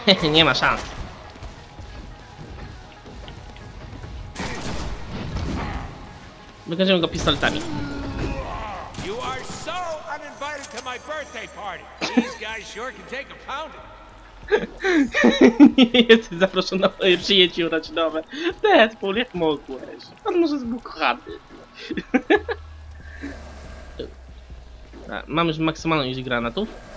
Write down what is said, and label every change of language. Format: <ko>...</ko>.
<pl>Nie ma szans. Wykażemy go pistoletami.</pl> <en>You are so uninvited to my birthday party. These guys sure can take a pounding.</en> <pl>Nie jesteś zaproszony na moje przyjęcie urodzinowe. Deadpool, jak mogłeś? On może był kochany. A, mam już maksymalną ilość granatów.</pl>